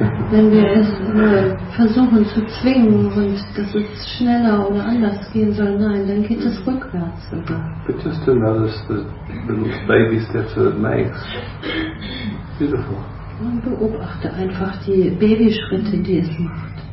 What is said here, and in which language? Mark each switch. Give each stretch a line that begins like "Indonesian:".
German: Wenn wir es versuchen zu zwingen und dass es schneller oder anders gehen soll, nein, dann geht es rückwärts sogar.
English: But just to notice the little baby steps that it makes. Beautiful.
German: Und beobachte einfach die Babyschritte, die es macht.